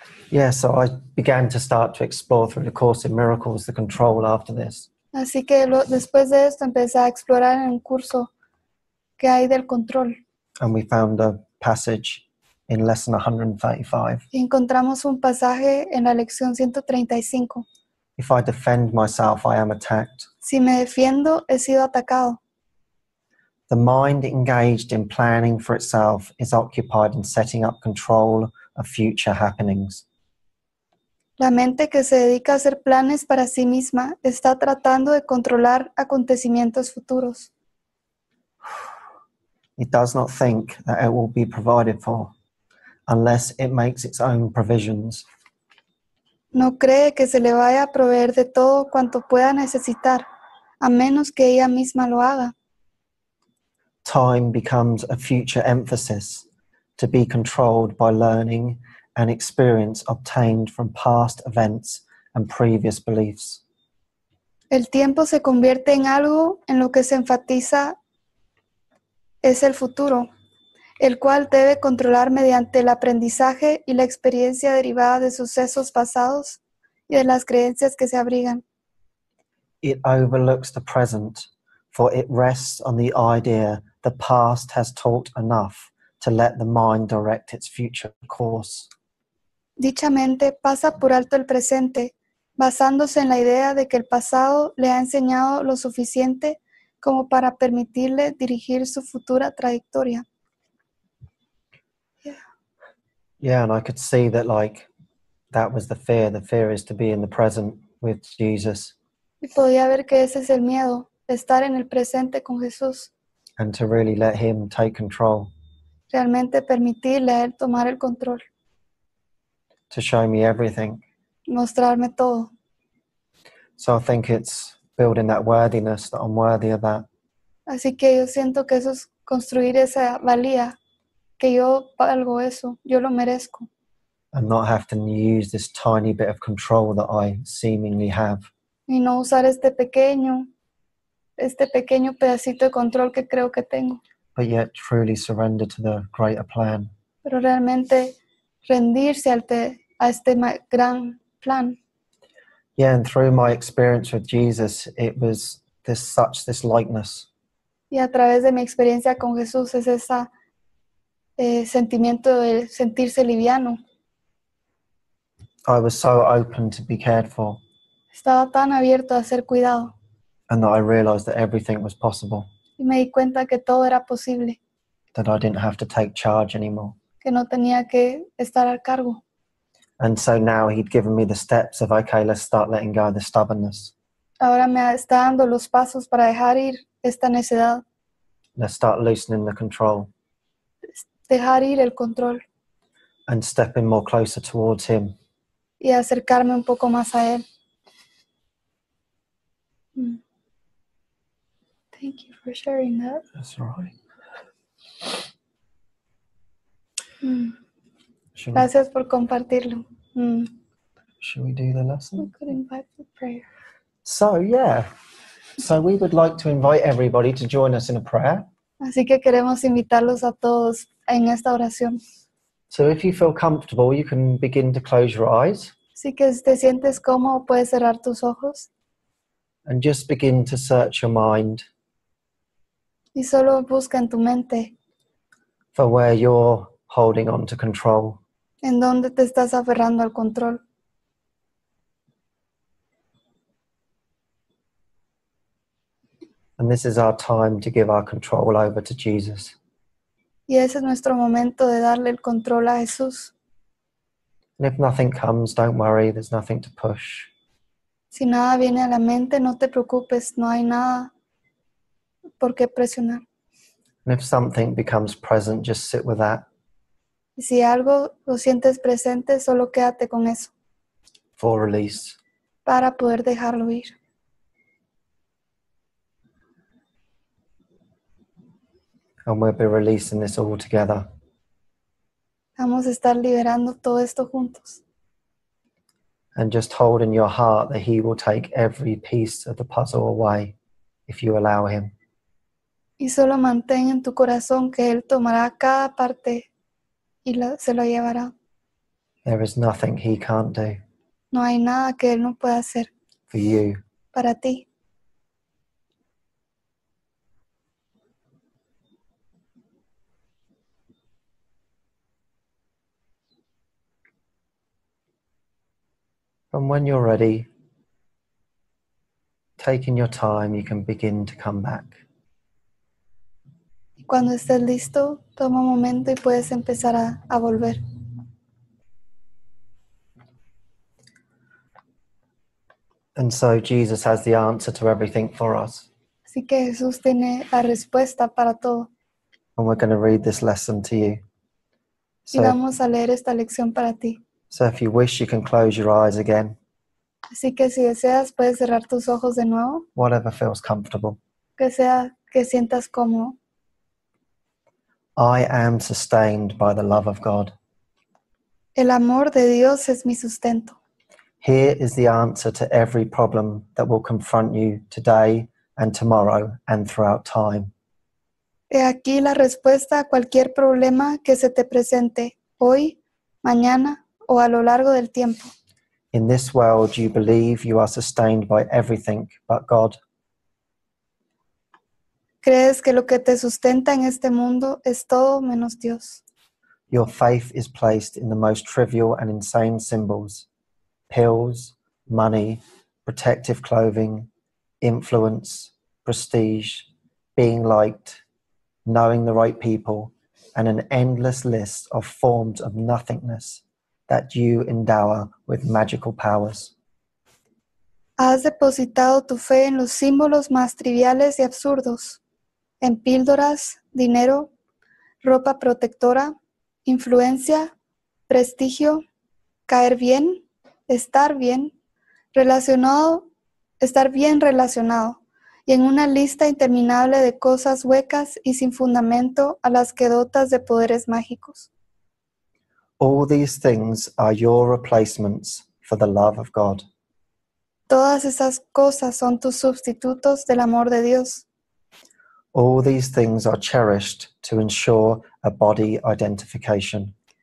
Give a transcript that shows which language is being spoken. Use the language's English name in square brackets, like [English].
[English] Yeah, so I began to start to explore through the Course in Miracles the control after this. [Spanish] Así que después de esto empecé a explorar en un curso que hay del control. [English] And we found a passage in lesson 135. [Spanish] Y encontramos un pasaje en la lección 135. [English] If I defend myself, I am attacked. [Spanish] Si me defiendo, he sido atacado. [English] The mind engaged in planning for itself is occupied in setting up control of future happenings. [Spanish] La mente que se dedica a hacer planes para sí misma está tratando de controlar acontecimientos futuros. [English] It does not think that it will be provided for unless it makes its own provisions. [Spanish] No cree que se le vaya a proveer de todo cuanto pueda necesitar, a menos que ella misma lo haga. [English] Time becomes a future emphasis to be controlled by learning and experience obtained from past events and previous beliefs. [Spanish] El tiempo se convierte en algo en lo que se enfatiza es el futuro, el cual debe controlar mediante el aprendizaje y la experiencia derivada de sucesos pasados y de las creencias que se abrigan. [English] It overlooks the present, for it rests on the idea the past has taught enough to let the mind direct its future course. [Spanish] Dicha mente pasa por alto el presente, basándose en la idea de que el pasado le ha enseñado lo suficiente como para permitirle dirigir su futura trayectoria. [English] Yeah, and I could see that, like, that was the fear. The fear is to be in the present with Jesus. [Spanish] Y podía ver que ese es el miedo, estar en el presente con Jesús. [English] And to really let him take control. [Spanish] Realmente permitirle a él tomar el control. [English] To show me everything. [Spanish] Mostrarme todo. [English] So I think it's building that worthiness that I'm worthy of that. [Spanish] Así que yo siento que eso es construir esa valía. Que yo valgo eso, yo lo merezco. [English] And not having to use this tiny bit of control that I seemingly have. [Spanish] Y no usar este pequeño pedacito de control que creo que tengo. [English] But yet truly surrender to the greater plan. [Spanish] Pero realmente rendirse a este gran plan. [English] Yeah, and through my experience with Jesus, it was this likeness. [Spanish] Y a través de mi experiencia con Jesús es esa sentimiento de sentirse liviano. [English] I was so open to be cared for. [Spanish] Estaba tan abierto a ser cuidado. [English] And that I realized that everything was possible. [Spanish] Y me di cuenta que todo era posible. [English] That I didn't have to take charge anymore. [Spanish] Que no tenía que estar al cargo. [English] And so now he'd given me the steps of, okay, let's start letting go of the stubbornness. [Spanish] Ahora me está dando los pasos para dejar ir esta necedad. [English] Let's start loosening the control. [Spanish] Dejar ir el control. [English] And stepping more closer towards him. [Spanish] Y acercarme un poco más a él. [English] Thank you for sharing that. That's right. [Spanish] Gracias por compartirlo. [English] Should we do the lesson? We could invite the prayer. So, yeah. So we would like to invite everybody to join us in a prayer. [Spanish] Así que queremos invitarlos a todos en esta oración. [English] So if you feel comfortable, you can begin to close your eyes. [Spanish] Así que si te sientes cómodo, puedes cerrar tus ojos. [English] And just begin to search your mind. [Spanish] Y solo busca en tu mente. [English] For where you're holding on to control. [Spanish] En donde te estás aferrando al control. [English] And this is our time to give our control over to Jesus. [Spanish] Y ese es nuestro momento de darle el control a Jesús. [English] And if nothing comes, don't worry, there's nothing to push. [Spanish] Si nada viene a la mente, no te preocupes, no hay nada por qué presionar. [English] And if something becomes present, just sit with that. [Spanish] Y si algo lo sientes presente, solo quédate con eso. [English] For release. [Spanish] Para poder dejarlo ir. [English] And we'll be releasing this all together. [Spanish] Vamos a estar liberando todo esto juntos. [English] And just hold in your heart that he will take every piece of the puzzle away if you allow him. [Spanish] Y solo mantén en tu corazón que él tomará cada parte y se lo llevará. [English] There is nothing he can't do. [Spanish] No hay nada que él no pueda hacer. [English] For you. [Spanish] Para ti. [English] And when you're ready, taking your time, you can begin to come back. [Spanish] Cuando estés listo, toma un momento y puedes empezar a volver. [English] And so Jesus has the answer to everything for us. [Spanish] Así que Jesús tiene la respuesta para todo. [English] And we're going to read this lesson to you. [Spanish] Y vamos a leer esta lección para ti. [English] So if you wish, you can close your eyes again. [Spanish] Así que si deseas, puedes cerrar tus ojos de nuevo. [English] Whatever feels comfortable. [Spanish] Que sea que sientas cómodo. [English] I am sustained by the love of God. [Spanish] El amor de Dios es mi sustento. [English] Here is the answer to every problem that will confront you today and tomorrow and throughout time. [Spanish] He aquí la respuesta a cualquier problema que se te presente hoy, mañana, o a lo largo del tiempo. [English] In this world, you believe you are sustained by everything but God. [Spanish] Crees que lo que te sustenta en este mundo es todo menos Dios. [English] Your faith is placed in the most trivial and insane symbols. Pills, money, protective clothing, influence, prestige, being liked, knowing the right people, and an endless list of forms of nothingness that you endow with magical powers. [Spanish] Has depositado tu fe en los símbolos más triviales y absurdos, en píldoras, dinero, ropa protectora, influencia, prestigio, caer bien, estar bien relacionado, y en una lista interminable de cosas huecas y sin fundamento a las que dotas de poderes mágicos. [English] All these things are your replacements for the love of God. [Spanish] Todas esas cosas son tus sustitutos del amor de Dios. [English] All these things are cherished to ensure a body identification.